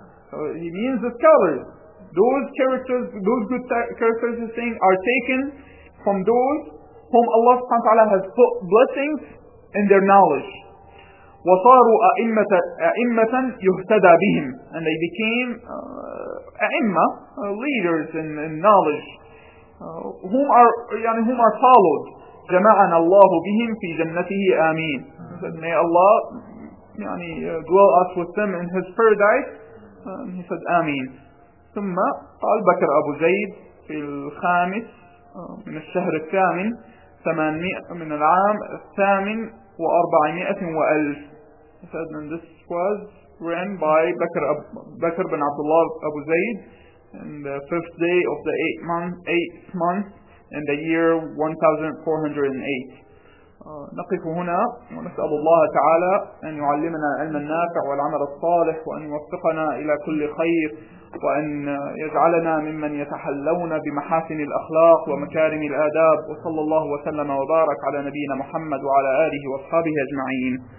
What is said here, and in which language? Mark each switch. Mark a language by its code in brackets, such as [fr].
[en] So he means the scholars. Those characters, those good characters he's saying are taken from those whom Allah subhanahu wa ta'ala has put blessings in their knowledge. [ar] وصاروا أئمة يهتدى بهم. [en] And they became أئمة, leaders in knowledge. Whom are followed. [ar] جمعنا الله بهم في جنته آمين. [en] Said, may Allah dwell us with them in His paradise. He said آمين. [ar] ثم قال بكر أبو زيد في الخامس من الشهر الثامن 800 من العام 48,000. [en] said, and this was written by Bakr bin Abdullah Abu Zayd in the fifth day of the eighth month in the year 1408. [ar] نقف هنا ونسأل الله تعالى أن يعلمنا العلم النافع والعمل الصالح وأن يوفقنا إلى كل خير وأن يجعلنا ممن يتحلون بمحاسن الأخلاق ومكارم الآداب وصلى الله وسلم وبارك على نبينا محمد وعلى آله وأصحابه أجمعين.